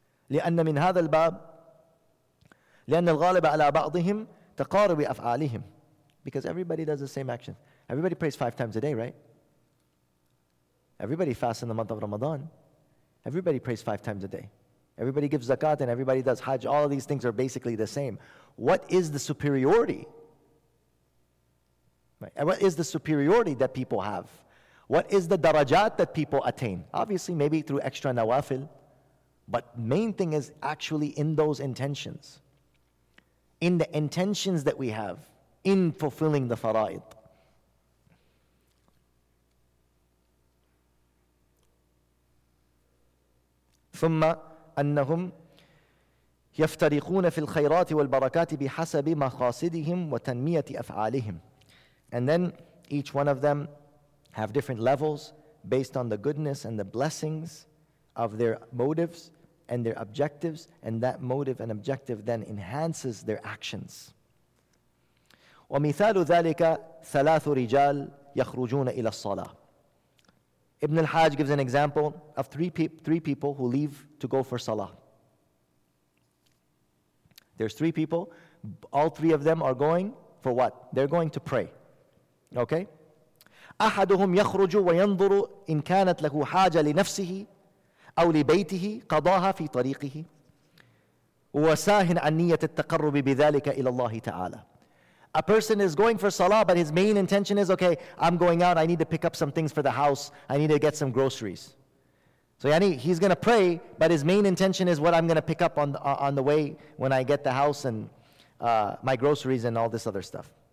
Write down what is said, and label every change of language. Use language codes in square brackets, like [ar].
[ar] لأن من هذا الباب, لأن الغالب على بعضهم تقارب أفعالهم. [en] Because everybody does the same action. Everybody prays 5 times a day, right? Everybody fasts in the month of Ramadan. Everybody prays 5 times a day. Everybody gives zakat and everybody does hajj. All of these things are basically the same. What is the superiority? Right. What is the superiority that people have? What is the darajat that people attain? Obviously, maybe through extra nawafil. But main thing is actually in those intentions. In the intentions that we have in fulfilling the fara'id. [ar] ثم أنهم يفترقون في الخيرات والبركات بحسب مقاصدهم وتنمية أفعالهم. [en] And then each one of them have different levels based on the goodness and the blessings of their motives and their objectives, and that motive and objective then enhances their actions. [ar] ومثال ذلك ثلاث رجال يخرجون إلى الصلاة. [en] Ibn al-Hajj gives an example of three people who leave to go for salah. There's three people. All three of them are going for what? They're going to pray. Okay? [ar] أحدهم يخرج وينظر إن كانت له حاجة لنفسه أو لبيته قضاها في طريقه وساهن عن نية التقرب بذلك إلى الله تعالى. [en] A person is going for salah, but his main intention is, okay, I'm going out, I need to pick up some things for the house, I need to get some groceries. So yani, he's going to pray, but his main intention is what I'm going to pick up on the way when I get the house and my groceries and all this other stuff.